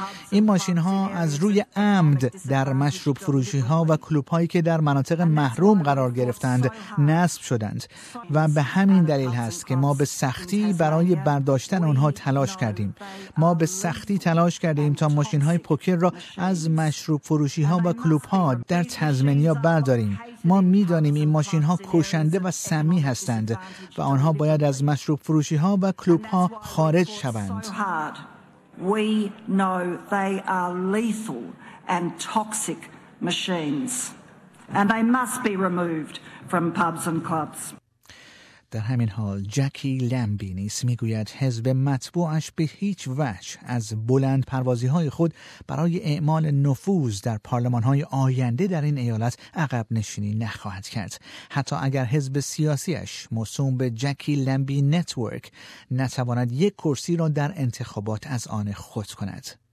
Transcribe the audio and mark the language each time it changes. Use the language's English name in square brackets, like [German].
[Persian] این ماشین ها از روی عمد در مشروب فروشی ها و کلوب هایی که در مناطق محروم قرار گرفتند نصب شدند و به همین دلیل هست که ما به سختی برای برداشتن آنها تلاش کردیم. ما به سختی تلاش کردیم تا ماشین های پوکر را از مشروب فروشی ها و کلوب ها در تزمانیا برداریم. ما می دانیم این ماشین ها کشنده و سمی هستند و آنها باید از مشروب فروشی ها و کلوب ها خارج شوند. [English] Hard. We know they are lethal and toxic machines, and they must be removed from pubs and clubs. [Persian] در همین حال جکی لمبی نیز میگوید حزب مطبوعش به هیچ وجه از بلند پروازی های خود برای اعمال نفوذ در پارلمان های آینده در این ایالت عقب نشینی نخواهد کرد. حتی اگر حزب سیاسیش موسوم به جکی لمبی نتورک نتواند یک کرسی را در انتخابات از آن خود کند.